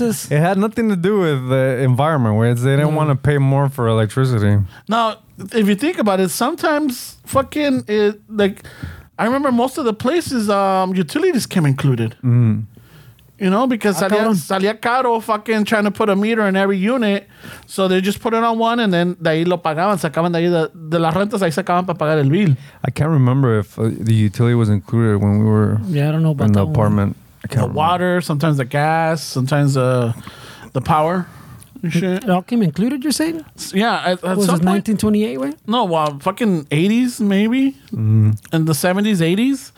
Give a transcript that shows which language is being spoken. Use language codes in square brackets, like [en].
[en] It had nothing to do with the environment, where they didn't want to pay more for electricity. Now, if you think about it, sometimes fucking it, like, I remember most of the places, utilities came included. Mm. You know, because [es] salía caro [en] fucking trying to put a meter in every unit. So they just put it on one and then [es] de ahí lo pagaban. Sacaban de ahí de las rentas, ahí sacaban para pagar el bill. [en] I can't remember if the utility was included when we were I don't know about in the apartment. Water, sometimes the gas, sometimes the power. It all came included, you're saying? Yeah. Was it 1928, right? No, well, fucking 80s, maybe. Mm. In the 70s, 80s.